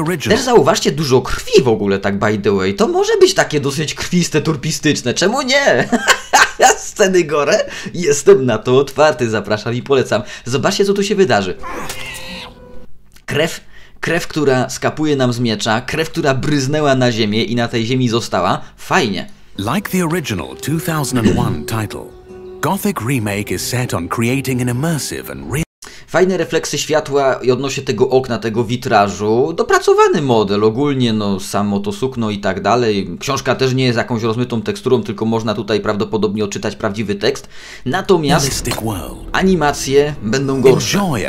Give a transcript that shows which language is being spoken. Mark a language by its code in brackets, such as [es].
[pl] Też zauważcie dużo krwi w ogóle, tak [en] by the way, [pl] to może być takie dosyć krwiste, turpistyczne, czemu nie? Sceny gore? Jestem na to otwarty, zapraszam i polecam. Zobaczcie, co tu się wydarzy. Krew, która skapuje nam z miecza, krew, która bryznęła na ziemię i na tej ziemi została, fajnie. [en] Like the original 2001 title, Gothic Remake is set on creating an immersive and real... [pl] Fajne refleksy światła i odnośnie tego okna, tego witrażu. Dopracowany model ogólnie, no samo to sukno i tak dalej. Książka też nie jest jakąś rozmytą teksturą, tylko można tutaj prawdopodobnie odczytać prawdziwy tekst. Natomiast animacje będą gorsze.